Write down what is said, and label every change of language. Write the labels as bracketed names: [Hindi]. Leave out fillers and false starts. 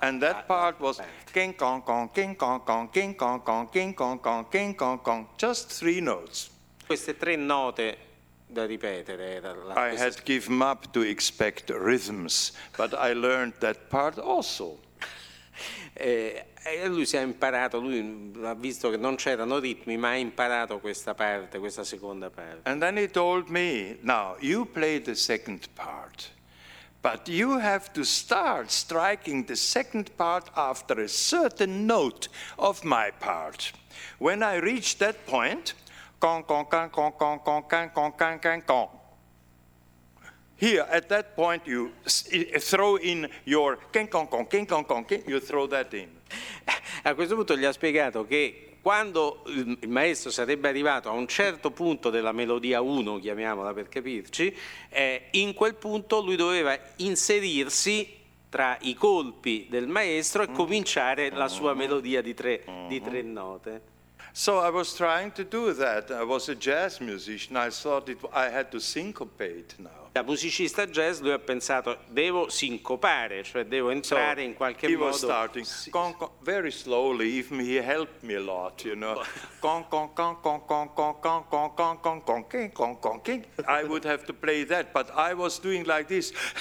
[English] And that part was king kong kong, king kong kong, king kong kong, king kong kong, king kong kong. Just three notes. [Italian] Queste tre note da ripetere. [English] I had given up to expect rhythms, but I learned that part also. [Italian] Lui si è imparato, lui ha visto che non c'erano ritmi, ma ha imparato questa parte, questa seconda parte. [English] And then he told me, now you play the second part, but you have to start striking the second part after a certain note of my part. When I reach that point, con con can con con con can con can can con. Here at that point you throw in your can con con can con con can, you throw that in. [Italian] A questo punto gli ha spiegato che quando il maestro sarebbe arrivato a un certo punto della melodia 1, chiamiamola per capirci, in quel punto lui doveva inserirsi tra i colpi del maestro e cominciare la sua melodia di tre note. [English] So I was trying to do that. I was a jazz musician. I thought I had to syncopate now. [Italian] Da musicista jazz, lui ha pensato devo sincopare, cioè devo entrare in qualche modo. [English] He was starting very slowly. Even he helped me a lot, you know. Con con con con con con con con con con con con con. I would have to play that, but I was doing like this.